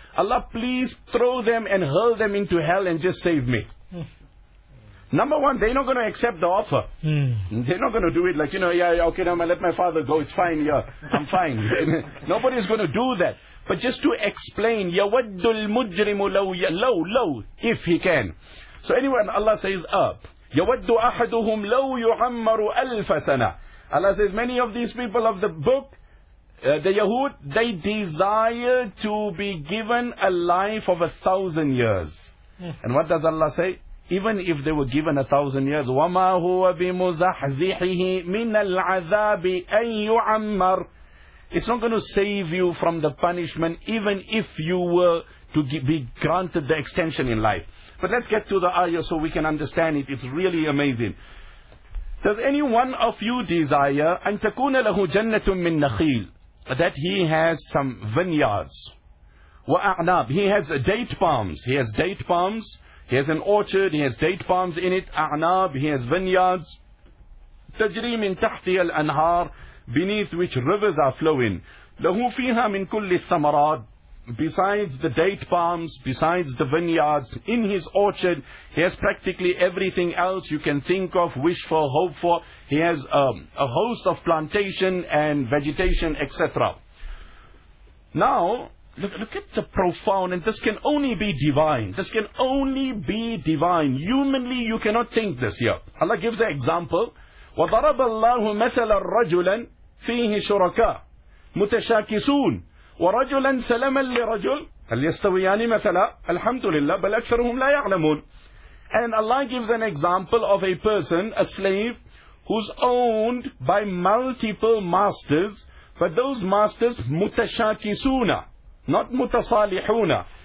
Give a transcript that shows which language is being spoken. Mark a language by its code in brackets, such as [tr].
[en] Allah, please throw them and hurl them into hell and just save me. Number one, they're not going to accept the offer. Mm. They're not going to do it like, you know, yeah, okay, now let my father go, it's fine, yeah, I'm fine. Nobody's going to do that. But just to explain, [ar] يَوَدُّ الْمُجْرِمُ لَوْ [en] if he can. So anyway, Allah says, [ar] يَوَدُّ أَحَدُهُمْ لَوْ يُعَمَّرُ أَلْفَ سَنَةً. [en] Allah says, many of these people of the book, the Yahud, they desire to be given a life of 1,000 years. And what does Allah say? Even if they were given 1,000 years, [ar] وَمَا هُوَ بِمُزَحْزِحِهِ مِنَ الْعَذَابِ أَن يُعَمَّرُ. [en] It's not going to save you from the punishment, even if you were to be granted the extension in life. But let's get to the ayah so we can understand it. It's really amazing. Does any one of you desire [ar] أن تكون له جنة من نخيل, [en] that he has some vineyards, [ar] وأعناب, [en] he has date palms, he has date palms, he has an orchard, he has date palms in it, [ar] أعناب, [en] he has vineyards, [ar] تجري من تحت الأنهار, [en] beneath which rivers are flowing. [ar] لَهُ فِيهَا مِنْ كُلِّ الثَّمَرَاتِ. [en] Besides the date palms, besides the vineyards, in his orchard, he has practically everything else you can think of, wish for, hope for. He has a host of plantation and vegetation, etc. Now, look at the profound, and this can only be divine. This can only be divine. Humanly, you cannot think this here. Allah gives the example. [ar] وَضَرَبَ اللَّهُ مَثَلًا رَجُلًا فِيهِ شُرَكَاءَ. متشاكسون ورجلا سلما لرجل هل يستويان مثلا الحمد لله بل أكثرهم لا يعلمون. [en] And Allah gives an example of a person, a slave, who's owned by multiple masters, but those masters [ar] متشاكسون [en] not [ar] متصالحون.